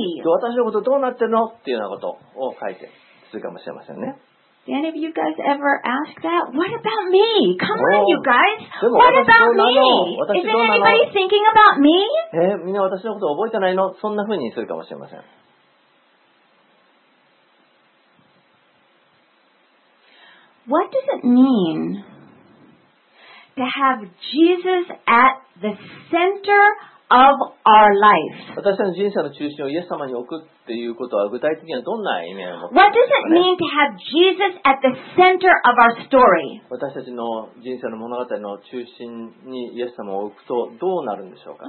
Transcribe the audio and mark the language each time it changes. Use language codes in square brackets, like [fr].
[ja] 私のことどうなってるのっていうようなことを書いてするかもしれませんね。 [en] Did any of you guys ever ask that? What about me? Come on, you guys. What about me? Isn't anybody thinking about me? [ja] みんな私のこと覚えてないの？そんな風にするかもしれません。 [en] What does it mean to have Jesus at the center? Of our life. [ja] 私たちの人生の中心をイエス様に置くっていうことは具体的にはどんな意味を持っているのか、ね、 [en] What does it mean to have Jesus at the center of our story? [ja] 私たちの人生の物語の中心にイエス様を置くとどうなるんでしょうか?